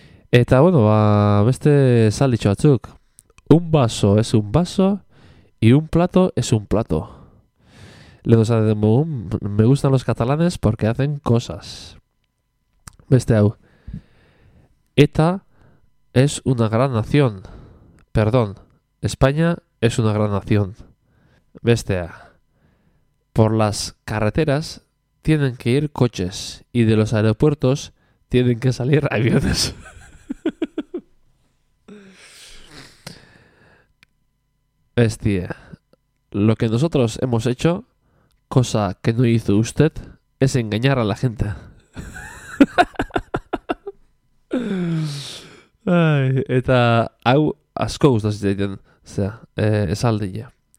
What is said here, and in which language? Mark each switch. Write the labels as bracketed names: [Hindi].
[Basque] Eta bueno, ba beste zalditxo batzuk. [Spanish] Un vaso es un vaso y un plato es un plato. Lego sa de boom, me gustan los catalanes porque hacen cosas. [Basque] Beste hau. [Spanish] ETA es una gran nación. Perdón, España es una gran nación. [Basque] Bestea. [Spanish] Por las carreteras tienen que ir coches y de los aeropuertos tienen que salir aviones. [Basque] Bestia. [Spanish] Lo que nosotros hemos hecho, cosa que no hizo usted, es engañar a la gente. [Basque] Ay, eta hau asko gustatzen zaio, esaldia.